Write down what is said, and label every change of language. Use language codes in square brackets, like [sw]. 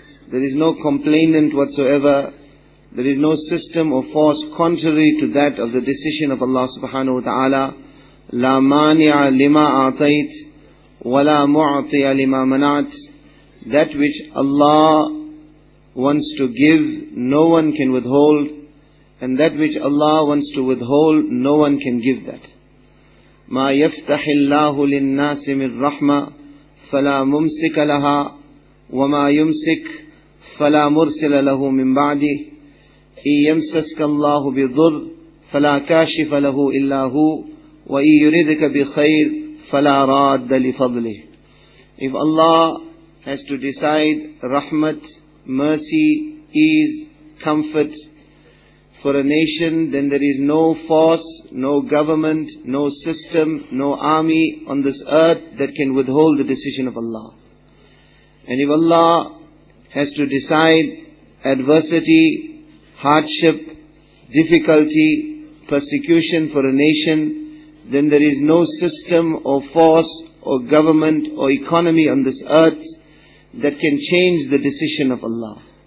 [en] There is no complainant whatsoever. There is no system or force contrary to that of the decision of Allah subhanahu wa ta'ala. [ar] لا مانع لما أعطيت ولا معطي لما منعت [en] That which Allah wants to give, no one can withhold. And that which Allah wants to withhold, no one can give that. [ar] ما يفتح الله للناس من رحمة فلا ممسك لها وما يمسك فلا مرسل له من بعده إِنْ يَمْسَسْكَ اللَّهُ بِضُرٍّ فَلَا كَاشِفَ لَهُ إِلَّا هُوَ وَإِنْ يُرِدْكَ بِخَيْرٍ فَلَا رَادَّ لِفَضْلِهِ [en] If Allah has to decide rahmat, mercy, ease, comfort for a nation, then there is no force, no government, no system, no army on this earth that can withhold the decision of Allah. And if Allah has to decide adversity, hardship, difficulty, persecution for a nation, then there is no system or force or government or economy on this earth that can change the decision of Allah.